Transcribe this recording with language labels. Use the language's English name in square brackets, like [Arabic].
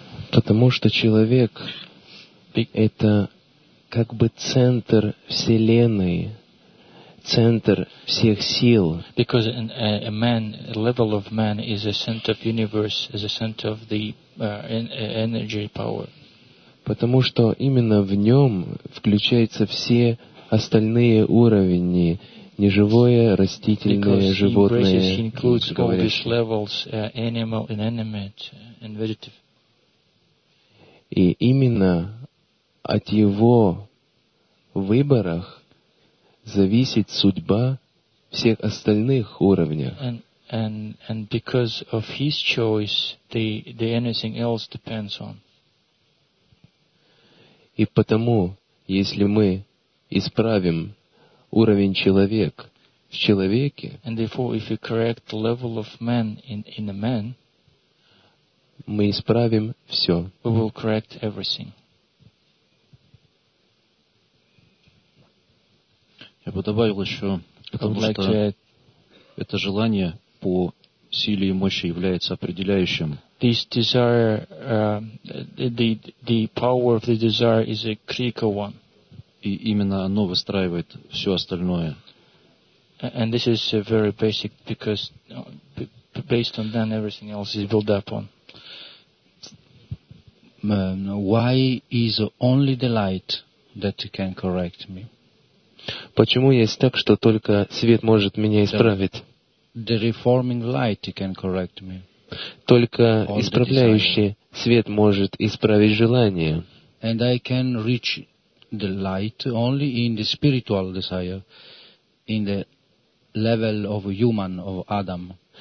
[Russian] Потому что человек — это как бы центр Вселенной, центр всех сил. [English] Because a man, a level of man is a center of universe, is a center of the energy power. [Russian] Потому что именно в нем включаются все остальные уровни: неживое, растительное, животное, говорящее. И именно от его выборах зависит судьба всех остальных уровней. [English] And because of his choice, the anything else depends on. [Russian] И потому, если мы исправим уровень человек в человеке, [English] and therefore, if we correct the level of man in a man, [Russian] мы исправим все. [English] We will correct everything. [Russian] Я бы добавил еще, потому [English] like [Russian] что это желание по силе и мощи является определяющим. [English] This desire, the power of the desire is a critical one. [Russian] И именно оно выстраивает все остальное. [English] And this is very basic because based on that everything else is built up on. Why is only the light that can correct me? [Russian] Почему есть так, что только свет может меня исправить? [English] The reforming light can correct me. [Russian] Только All исправляющий свет может исправить желание. [English] And I can reach the light only in the spiritual desire, in the level of human, of Adam.